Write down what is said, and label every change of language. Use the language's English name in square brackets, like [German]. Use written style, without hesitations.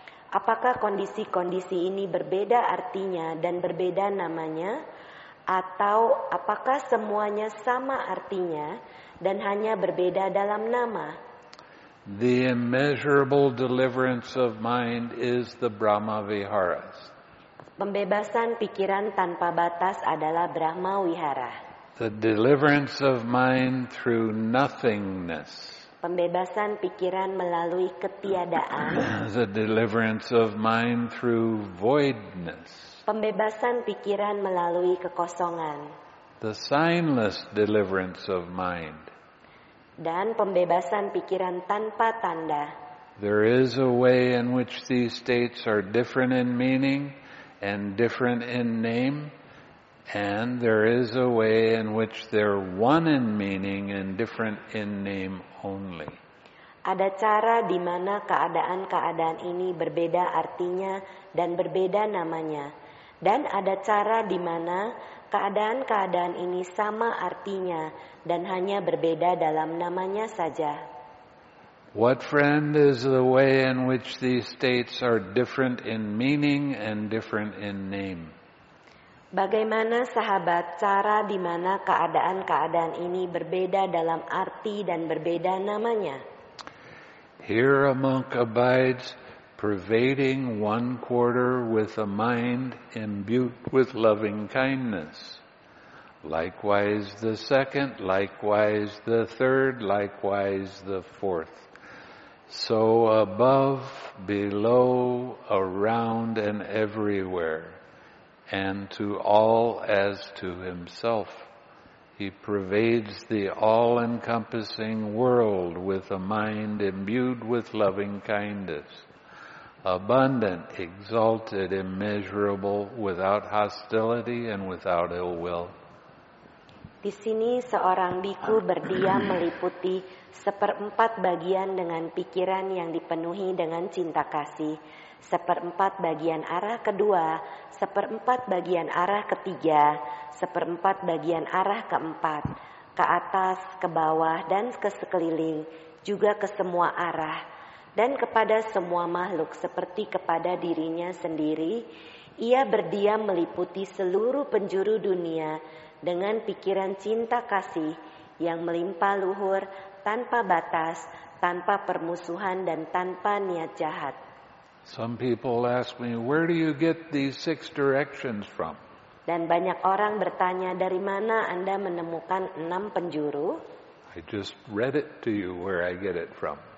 [Indonesian] Apakah kondisi-kondisi ini berbeda artinya dan berbeda namanya, atau apakah semuanya sama artinya dan hanya berbeda dalam nama? [English] The immeasurable deliverance of mind is the Brahma Viharas. [Indonesian] Pembebasan pikiran tanpa batas adalah Brahma Vihara. [English] The deliverance of mind through nothingness. [Indonesian] Pembebasan pikiran melalui ketiadaan. [English] The deliverance of mind through voidness. [Indonesian] Pembebasan pikiran melalui kekosongan. [English] The signless deliverance of mind. [Indonesian] Dan pembebasan pikiran tanpa tanda. [English] There is a way in which these states are different in meaning and different in name, and there is a way in which they're one in meaning and different in name only. [Indonesian] Ada cara di mana keadaan-keadaan ini berbeda artinya dan berbeda namanya. Dan ada cara di mana keadaan-keadaan ini sama artinya dan hanya berbeda dalam namanya saja. [English] What friend is the way in which these states are different in meaning and different in name? [Indonesian] Bagaimana sahabat cara di mana keadaan-keadaan ini berbeda dalam arti dan berbeda namanya? [English] Here a monk abides pervading one quarter with a mind imbued with loving kindness. Likewise the second, likewise the third, likewise the fourth. So above, below, around, and everywhere, and to all as to himself, he pervades the all-encompassing world with a mind imbued with loving kindness. Abundant, exalted, immeasurable, without hostility and without ill will. [Indonesian] Di sini seorang biku berdiam meliputi seperempat bagian dengan pikiran yang dipenuhi dengan cinta kasih, seperempat bagian arah kedua, seperempat bagian arah ketiga, seperempat bagian arah keempat, ke atas, ke bawah, dan ke sekeliling, juga ke semua arah. Dan kepada semua makhluk seperti kepada dirinya sendiri, ia berdiam meliputi seluruh penjuru dunia dengan pikiran cinta kasih yang melimpah luhur, tanpa batas, tanpa permusuhan, dan tanpa niat jahat. [English] Some people ask me, where do you get these six directions from? [Indonesian] Dan banyak orang bertanya, dari mana Anda menemukan enam penjuru? [English] I just read it to you where I get it from.